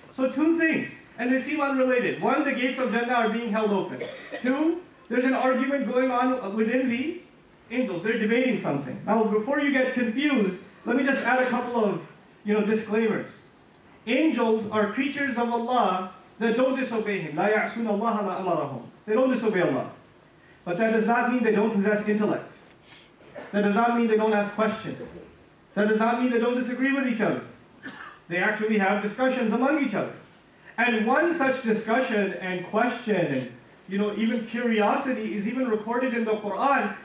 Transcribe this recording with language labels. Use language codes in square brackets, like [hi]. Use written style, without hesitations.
[en] So two things, and they seem unrelated. One, the gates of Jannah are being held open. Two, there's an argument going on within the angels. They're debating something. Now, before you get confused, let me just add a couple of, you know, disclaimers. Angels are creatures of Allah that don't disobey Him. [ar] لَا يَعْصُونَ اللَّهَ مَا أَمَرَهُمْ, [en] they don't disobey Allah. But that does not mean they don't possess intellect. That does not mean they don't ask questions. That does not mean they don't disagree with each other. They actually have discussions among each other. And one such discussion and question, and, you know, even curiosity is even recorded in the Quran.